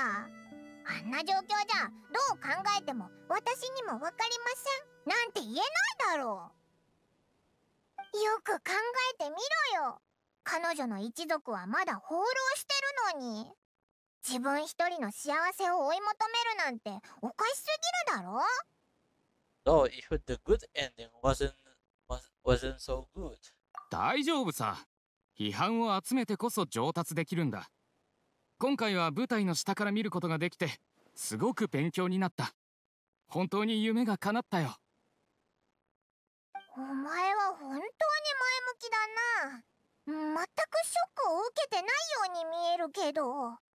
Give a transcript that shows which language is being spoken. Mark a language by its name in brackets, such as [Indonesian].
[Japanese] あんな状況じゃどう考えても私にも分かりませんなんて言えないだろう。よく考えてみろよ。彼女の一族はまだ放浪してるのに、自分一人の幸せを追い求めるなんておかしすぎるだろ。 [English] So if the good ending wasn't so good. [Japanese] 大丈夫さ。批判を集めてこそ上達できるんだ。今回は舞台の下から見ることができてすごく勉強になった。本当に夢が叶ったよ。お前は本当に前向きだな。全くショックを受けてないように見えるけど。